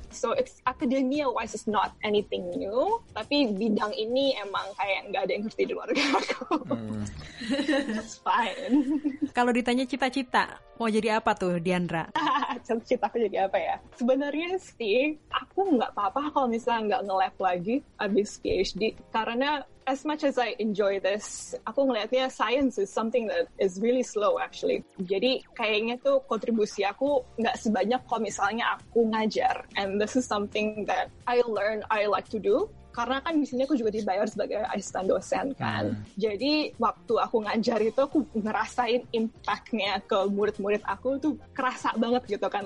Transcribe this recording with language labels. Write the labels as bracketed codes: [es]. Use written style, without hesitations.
[en] So it's akademia wise is not anything new, [id] tapi bidang ini emang kayak nggak ada yang ngerti di keluarga aku. [en] It's fine. [id] Kalau ditanya cita-cita, mau jadi apa tuh, Diandra? Cita-cita aku jadi apa ya? Sebenarnya sih, aku nggak apa-apa kalau misalnya nggak nge-lab lagi abis PhD. Karena [en] as much as I enjoy this, [id] aku ngeliatnya [en] science is something that is really slow actually. [id] Jadi kayaknya tuh kontribusi aku nggak sebanyak kalau misalnya aku ngajar. [en] And this is something that I learn, I like to do. [id] Karena kan misalnya aku juga dibayar sebagai asisten dosen kan. Jadi waktu aku ngajar itu aku ngerasain impact-nya ke murid-murid aku tuh kerasa banget gitu kan.